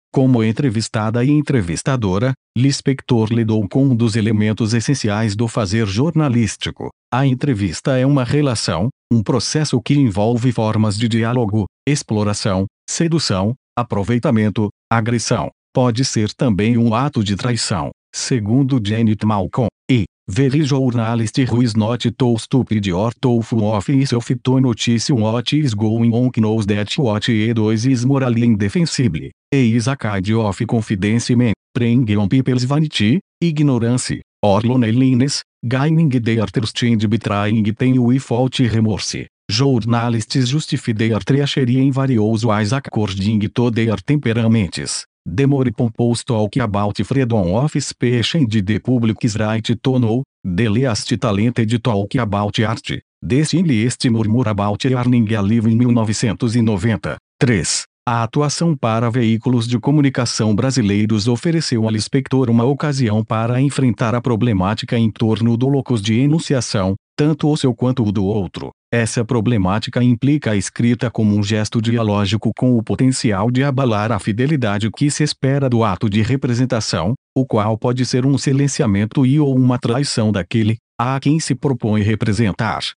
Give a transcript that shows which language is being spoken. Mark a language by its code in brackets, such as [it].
[pt] Como entrevistada e entrevistadora, Lispector lidou com um dos elementos essenciais do fazer jornalístico. A entrevista é uma relação, um processo que envolve formas de diálogo, exploração, sedução, aproveitamento, agressão. Pode ser também um ato de traição, segundo Janet Malcolm. [en] E, very journalist who is not too stupid or too full of himself to notice what is going on knows that what he does is morally indefensible. E is a kind of confidence man, preying on people's vanity, ignorance, or loneliness, gaining their trust and betraying them without remorse. Journalists justify their treachery in various ways according to their temperaments. The more pompous talk about freedom of speech and the public's right to know, the least talented talk about art. The silliest murmur about earning a living 1990. 3. [pt] A atuação para veículos de comunicação brasileiros ofereceu a Lispector uma ocasião para enfrentar a problemática em torno do locus de enunciação, tanto o seu quanto o do outro. Essa problemática implica a escrita como um gesto dialógico com o potencial de abalar a fidelidade que se espera do ato de representação, o qual pode ser um silenciamento e/ou uma traição daquele a quem se propõe representar.